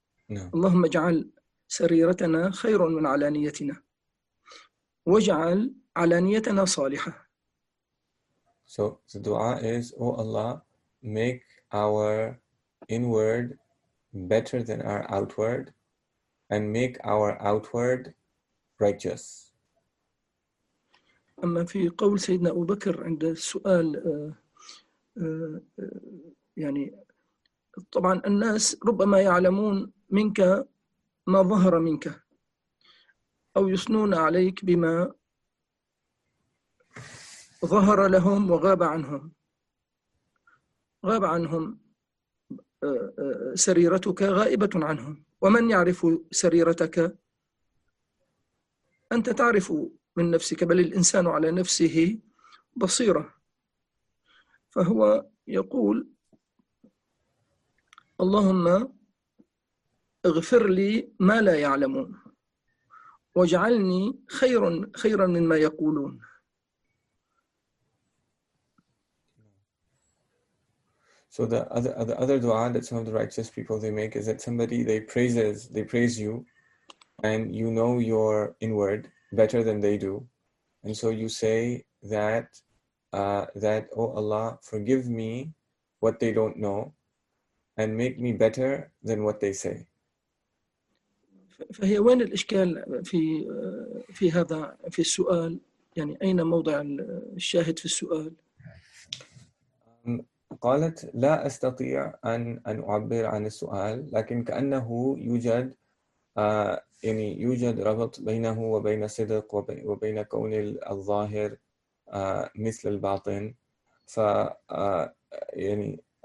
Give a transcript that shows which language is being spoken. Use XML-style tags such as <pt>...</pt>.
<ar>اللهم اجعل سريرتنا خير من علانيتنا، واجعل علانيتنا صالحة.</ar> <en>So the dua is, O Allah, make our inward better than our outward, and make our outward righteous.</en> <ar>أما في قول سيدنا أبو بكر عند السؤال يعني طبعا الناس ربما يعلمون منك ما ظهر منك أو يثنون عليك بما ظهر لهم وغاب عنهم، غاب عنهم سريرتك غائبة عنهم، ومن يعرف سريرتك؟ أنت تعرف من نفسك، بل الإنسان على نفسه بصيرة. فهو يقول اللهم اغفر لي ما لا يعلمون، واجعلني خيرا مما يقولون.</ar> <en>So the other dua that some of the righteous people they make is that somebody they praise you, and you know your inward better than they do, and so you say that that oh Allah, forgive me what they don't know, and make me better than what they say.</en> <ar>فهي وين الإشكال في هذا في السؤال؟ يعني أين موضع الشاهد في السؤال؟ قالت لا أستطيع أن أعبر عن السؤال، لكن كأنه يوجد يعني يوجد ربط بينه وبين صدق وبين كون الظاهر مثل الباطن، ف يعني</ar>